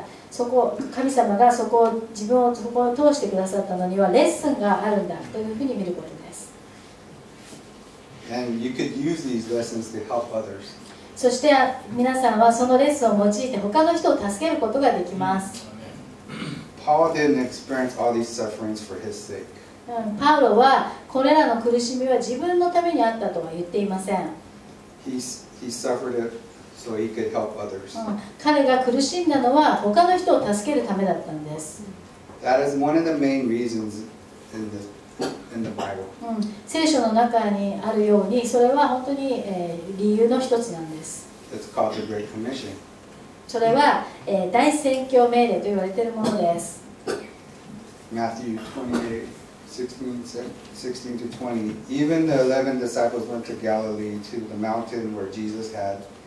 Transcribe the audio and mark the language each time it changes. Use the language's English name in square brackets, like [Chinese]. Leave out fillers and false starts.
[Japanese] そこ神様がそこを自分をそこを通してくださったのにはレッスンがあるんだというふうに見ることです。 [English] And you could use these lessons to help others. [Japanese] そして皆さんはそのレッスンを用いて他の人を助けることができます。 [English] Paul didn't experience all these sufferings for his sake. [Japanese] パウロはこれらの苦しみは自分のためにあったとは言っていません。 [English] He suffered itSo he could help others. [Japanese] 彼が苦しんだのは他の人を助けるためだったんです。 [English] That is one of the main reasons in the Bible. [Japanese] 聖書の中にあるようにそれは本当に、理由の一つなんです。 [English] It's called the Great Commission. [Japanese] それは、大宣教命令と言われているものです。 [English] Matthew 28:16-20 Even the 11 disciples went to Galilee to the mountain where Jesus had